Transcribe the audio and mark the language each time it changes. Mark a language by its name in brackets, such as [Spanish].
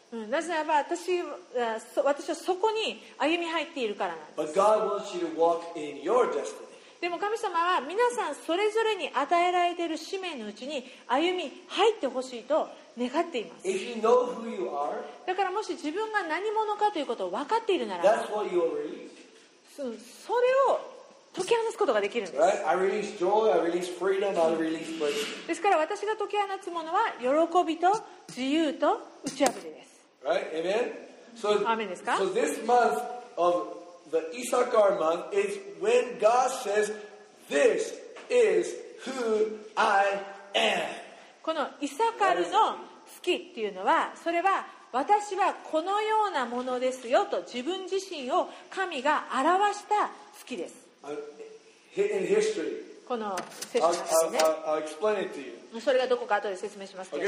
[Japanese] なぜならば私はそこに歩み入っているからなんです。 [English] But God wants you to walk in your destiny. [Japanese] でも神様は皆さんそれぞれに与えられている使命のうちに歩み入ってほしいと願っています。 [English] If you know who you are, [Japanese] だからもし自分が何者かということを分かっているなら [English] ば、 That's what you will release. [Japanese] それを解き放つことができるんです。 [English] Joy, freedom, [Japanese] ですから私が解き放つものは喜びと自由と打ち破りです。 [English] Right? Amen? [Japanese] So, アーメンですか? [English] So this month of the Issachar month is when God says, This is who I am. [Japanese] このイサカルの月っていうのは、それは私はこのようなものですよと自分自身を神が表した月です。 [English] In history, [Japanese] この説明ですね。 [English] I'll explain it to you. [Japanese] それがどこか後で説明しますけども